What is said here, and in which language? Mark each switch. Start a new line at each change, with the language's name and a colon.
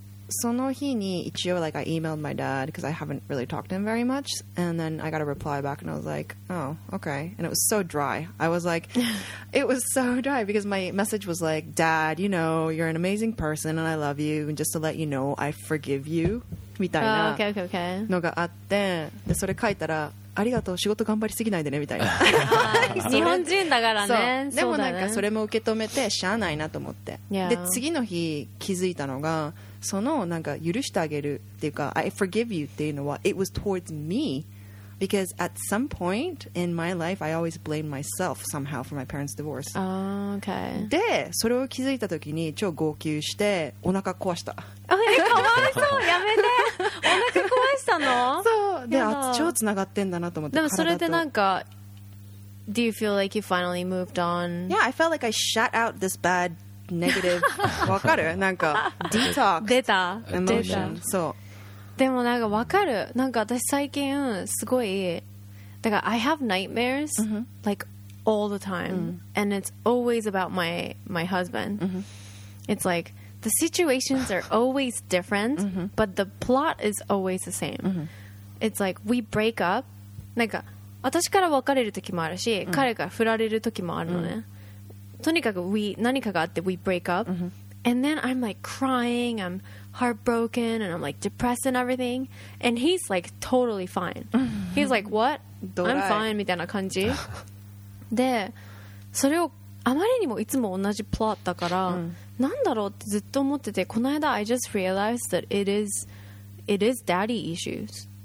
Japanese: その日に一応
English: like I emailed my dad because I haven't really talked to him very much, and then I got a reply back and I was like, oh, okay. And it was so dry. I was like, it was so dry because my message was like, Dad, you know, you're an amazing person and I love you, and just to let you know, I forgive you.
Japanese: みたいな。
English: Oh, okay.
Japanese: のがあって、でそれ書いたら、ありがとう仕事頑張りすぎないでねみたいな日本人だからね。でもなんかそれも受け止めてしゃあないなと思って、で次の日気づいたのが、そのなんか許してあげるっていうか
English: I forgive you
Japanese: っていうのは
English: it was towards me, because at some point in my life I always blamed myself somehow for my parents' divorce. Okay.
Japanese: でそれを気づいた時に超号泣してお腹壊した。え、かわいそう、やめて。お腹壊したの？そう。で、あ、超つながってんだなと思って。でもそれでなんか
English: Do you feel like you finally moved on? Yeah, I felt like I shut out this bad negative.
Japanese: わかる？なんか detox 出た。
English: Emotion。
Japanese: そう。でもなんかわかる。なんか私最近すごい、だから
English: I have nightmares like all the time, and it's always about my husband. It's like the situations are always different, but the plot is always the same. It's like we break up.
Japanese: なんか私から別れる時もあるし、彼から振られる時もあるのね。とにかく
English: we
Japanese: 何かがあって
English: we break up, and then I'm like crying. I'm heartbroken and I'm like depressed and everything, and he's like totally fine. He's like, what? I'm fine
Japanese: みたいな感じ。で、それをあまりにもいつも同じプロットだから、うん、なんだろうってずっと思ってて、この間
English: I just realized that it is daddy issues、